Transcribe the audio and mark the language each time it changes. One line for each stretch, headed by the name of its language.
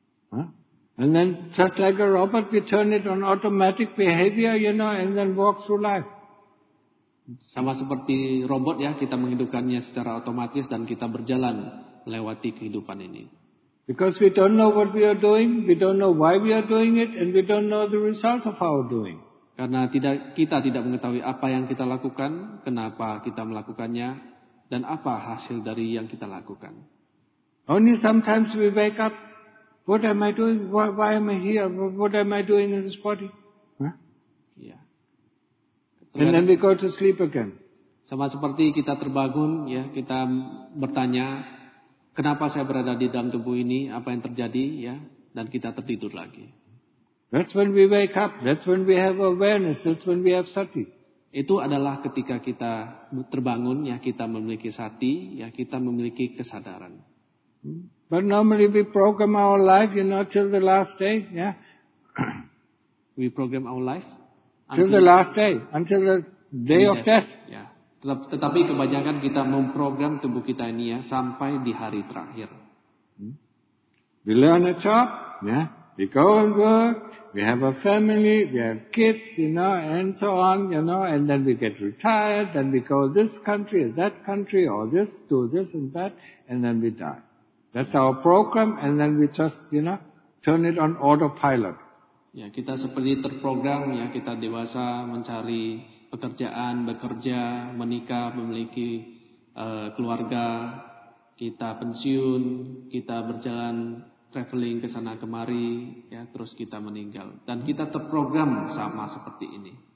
English: Huh? And then just like a robot, we turn it on automatic behavior, you know, and then walk through life.
Indonesian: Sama seperti robot, ya, kita menghidupkannya secara otomatis dan kita berjalan melewati kehidupan ini.
English: Because we don't know what we are doing, we don't know why we are doing it, and we don't know the results of our doing.
Indonesian: Karena kita tidak mengetahui apa yang kita lakukan, kenapa kita melakukannya, dan apa hasil dari yang kita lakukan.
English: Only sometimes we wake up, what am I doing? Why am I here? What am I doing in this body? And then we go to sleep again.
Indonesian: Sama seperti kita terbangun, ya, kita bertanya, kenapa saya berada di dalam tubuh ini, apa yang terjadi, ya, dan kita tertidur lagi.
English: That's when we wake up, that's when we have awareness, that's when we have sati.
Indonesian: Itu adalah ketika kita terbangun, ya, kita memiliki sati, ya, kita memiliki kesadaran.
English: But normally we program our life, you know, till the last day, yeah. We program our life until the last day, until the day of death.
Indonesian: Yeah. Tetapi kebanyakan kita memprogram tubuh kita ini, ya, sampai di hari terakhir.
English: We learn a job, yeah. We go and work. We have a family. We have kids, you know, and so on, you know. And then we get retired. Then we go this country, that country, or this, do this and that, and then we die. That's our program, and then we just, you know, turn it on autopilot.
Indonesian: Ya, kita seperti terprogram, ya, kita dewasa mencari pekerjaan, bekerja, menikah, memiliki keluarga, kita pensiun, kita berjalan traveling ke sana kemari, ya, terus kita meninggal, dan kita terprogram sama seperti ini.